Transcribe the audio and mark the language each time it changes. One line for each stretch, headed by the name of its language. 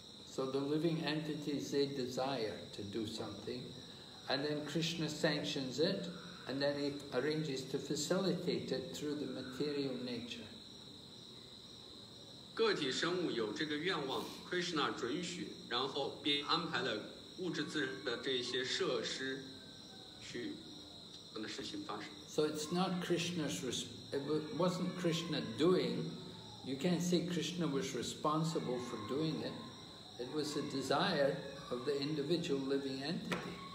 English: So the living entities, they desire to do something, and then Krishna sanctions it, and then he arranges to facilitate it through the material nature.
Chinese: 个体生物有这个愿望, Krishna 准许, 然后便安排了物质自然的这些设施, 去让事情发生。
English: So it's not Krishna's, it wasn't Krishna doing, you can't say Krishna was responsible for doing it, it was the desire of the individual living entity.